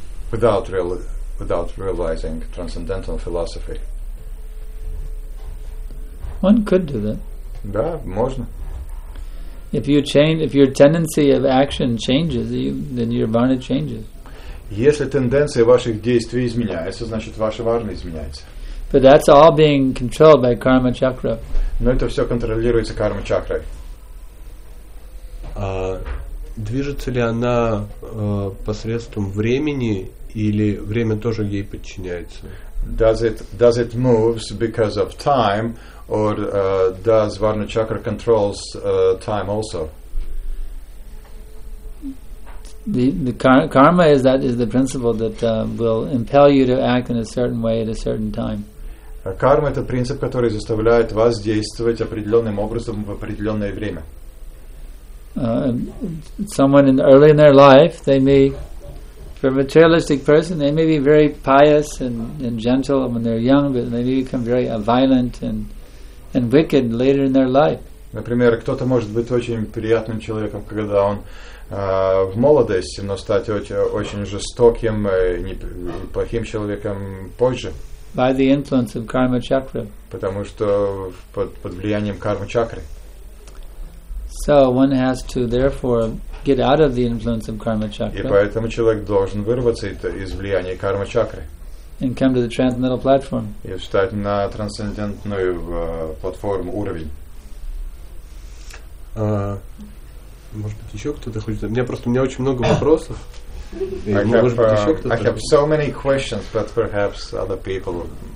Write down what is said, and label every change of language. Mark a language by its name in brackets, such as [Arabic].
[English] Without realizing transcendental philosophy. One could do that. [Russian] Да, можно. [English] If you change, if your tendency of action changes, then your varna changes. [Russian] Если тенденция ваших действий изменяется, значит ваша варна изменяется. [English] But that's all being controlled by karma chakra. [Russian] Но это все контролируется карма чакрой. Движется ли она посредством времени или время тоже ей подчиняется? [English] Does it moves because of time or does varna chakra controls time also? The karma is the principle that will impel you to act in a certain way at a certain time. [Russian] Карма — это принцип, который заставляет вас действовать определенным образом в определенное время. [English] Someone in early in their life, they may, for a materialistic person, they may be very pious and gentle when they're young, but they may become very violent and wicked later in their life. [Russian] Например, кто-то может быть очень приятным человеком, когда он в молодости, но стать очень жестоким и плохим человеком позже. [English] By the influence of karma chakra. [Russian] Потому что под влиянием кармы чакры. [English] So one has to therefore get out of the influence of karma chakra. [Russian] И поэтому человек должен вырваться из влияния кармы чакры. [English] And come to the transcendental platform. [Russian] И встать на трансцендентную платформу уровень. Может быть, еще кто-то хочет? У меня очень много вопросов. [English] I have so many questions, but perhaps other people.